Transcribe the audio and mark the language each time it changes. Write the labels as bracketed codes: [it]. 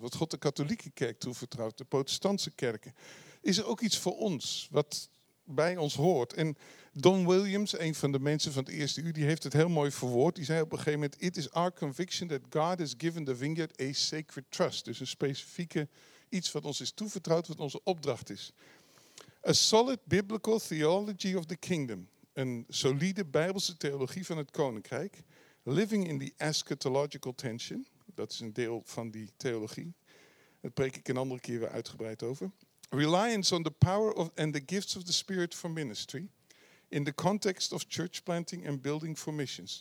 [nl] Wat God de katholieke kerk toevertrouwt. De protestantse kerken. Is er ook iets voor ons wat bij ons hoort? En Don Williams, een van de mensen van het Eerste Uur, die heeft het heel mooi verwoord. Die zei op een gegeven moment: [en] "It is our conviction that God has given the vineyard a sacred trust." [nl] Dus een specifieke iets wat ons is toevertrouwd, wat onze opdracht is. [en] A solid biblical theology of the kingdom. [nl] Een solide Bijbelse theologie van het koninkrijk. [en] Living in the eschatological tension. [nl] Dat is een deel van die theologie. Daar preek ik een andere keer weer uitgebreid over. [en] Reliance on the power of and the gifts of the Spirit for ministry. In the context of church planting and building for missions.